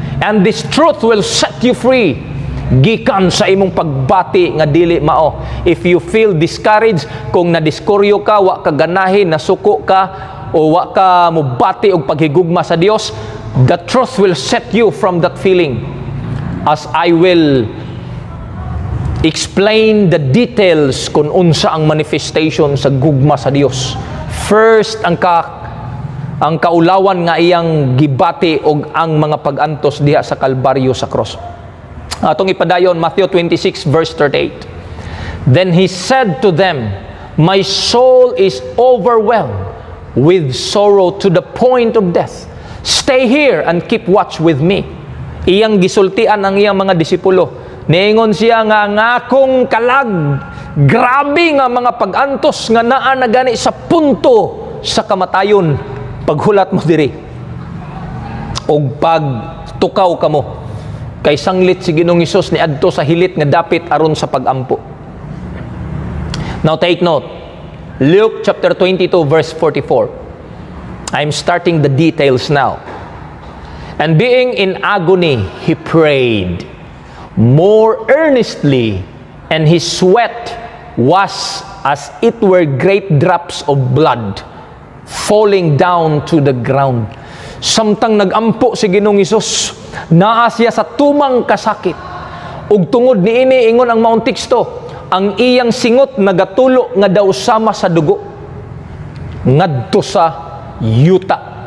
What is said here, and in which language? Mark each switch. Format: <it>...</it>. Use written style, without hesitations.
<en>And this truth will set you free.</en> <ceb>Gikan sa imong pagbati nga dili mao.</ceb> <en>If you feel discouraged,</en> <ceb>kung nadiskuryo ka, wa ka ganahin, nasuko ka, o wa ka mubati og paghigugma sa Dios,</ceb> <en>the truth will set you from that feeling. As I will explain the details</en> <ceb>kung unsa ang manifestation sa gugma sa Dios.</ceb> <en>First,</en> <ceb>ang kaulawan nga iyang gibati og ang mga pag-antos diha sa Kalbaryo sa cross. Atong ipadayon, Matthew 26 verse 38.</ceb> <en>Then he said to them, my soul is overwhelmed with sorrow to the point of death. Stay here and keep watch with me.</en> <ceb>Iyang gisultian ang iyang mga disipulo. Niingon siya nga akong kalag grabe nga mga pag-antos nga naa na gani sa punto sa kamatayon paghulat mo diri og pagtukaw kamo kay sanglit si Ginoong Hesus ni adto sa hilit nga dapit aron sa pag-ampo.</ceb> <en>Now take note, Luke chapter 22 verse 44. I'm starting the details now. And being in agony, he prayed more earnestly, and his sweat was as it were great drops of blood falling down to the ground.</en> <ceb>Samtang nag-ampo si Ginoong Hesus, naa siya sa tumang kasakit. Ug tungod niini, ingon ang maong teksto, ang iyang singot nagatulo nga daw sama sa dugo ngadto sa yuta.</ceb>